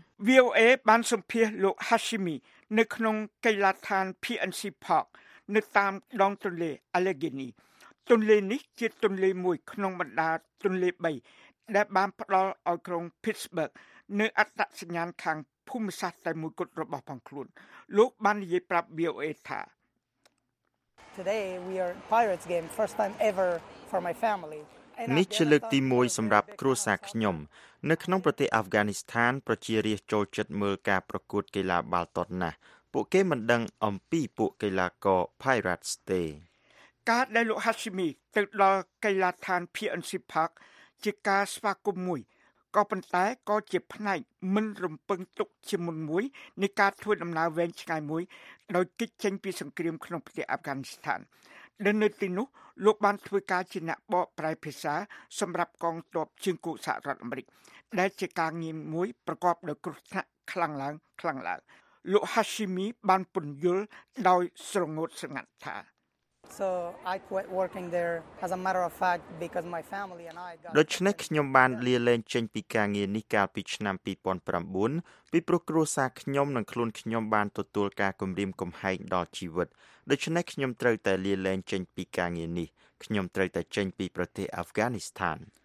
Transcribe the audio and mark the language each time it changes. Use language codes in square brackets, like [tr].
[km] VOA បានសម្ភាសលោក Hashimi នៅក្នុងកីឡដ្ឋាន PNC Park នៅតាមដងទន្លេ Allegheny ទន្លេនេះជាទន្លេមួយក្នុងបណ្ដាទន្លេ3ដែលបានផ្ដល់ឲ្យក្រុង Pittsburgh នៅអត្តសញ្ញាណខាងភូមិសាស្ត្រតែមួយគត់របស់ផងខ្លួនលោកបាននិយាយប្រាប់ VOA ថា [en] Today we are Pirates game first time ever for my family [km] នេះជាលើកទី1សម្រាប់គ្រួសារខ្ញុំនៅក្នុងប្រទេសអាហ្វហ្គានីស្ថានប្រជារាស្ត្រចូលចិត្តមើលការប្រកួតកីឡាបាល់ទាត់ណាស់ពួកគេមិនដឹងអំពីពួកកីឡាករ Pirates ទេ ការដែលលោក Hashimi ទៅដល់កីឡាដ្ឋាន PNC Park ជាការស្វាគមន៍មួយក៏ប៉ុន្តែក៏ជាផ្នែកមិនរំពឹងទុកជាមុនមួយនៃការធ្វើដំណើរវែងឆ្ងាយមួយដោយគេចចេញពីសង្គ្រាមក្នុងប្រទេសអាហ្វហ្គានីស្ថានដែលនៅទីនោះលោកបានធ្វើការជាអ្នកបកប្រែភាសាសម្រាប់កងទ័ពជើងគោកសហរដ្ឋអាមេរិកដែលជាការងារមួយប្រកបដោយគ្រោះថ្នាក់ខ្លាំងឡើងលោក Hashimi បានពន្យល់ដោយស្រងូតស្រងាត់ថា [en] So I quit working there as a matter of fact because my family and I got [km] ដូច្នេះខ្ញុំបានលាលែងចេញពីការងារនេះកាលពីឆ្នាំ2009ពីព្រោះគ្រួសារខ្ញុំនិងខ្លួនខ្ញុំបានទទួលការគំរាមកំហែងដល់ជីវិតដូច្នេះខ្ញុំត្រូវតែលាលែងចេញពីការងារនេះខ្ញុំត្រូវតែចេញពីប្រទេសអាហ្វហ្គានីស្ថាន